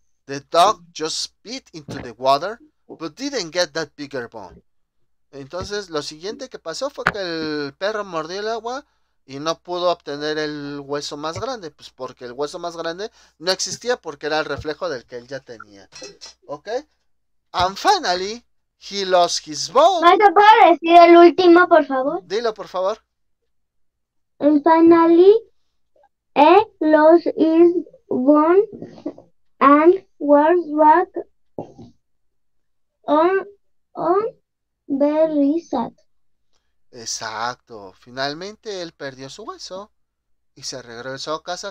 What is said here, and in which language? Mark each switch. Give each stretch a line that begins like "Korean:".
English: The dog just bit into the water, but didn't get that bigger bone.
Spanish: Entonces, lo siguiente que pasó fue que el perro mordió el agua y no pudo obtener el hueso más grande, pues porque el hueso más grande no existía porque era el reflejo del que él ya tenía.
English: ¿Ok? And finally, he lost his bone.
Spanish: ¿Puedo decir el último, por favor? Dilo, por favor.
English: And finally, he lost his bone and was back on very sad.
Spanish: Exacto. Finalmente él perdió su hueso y se regresó a casa.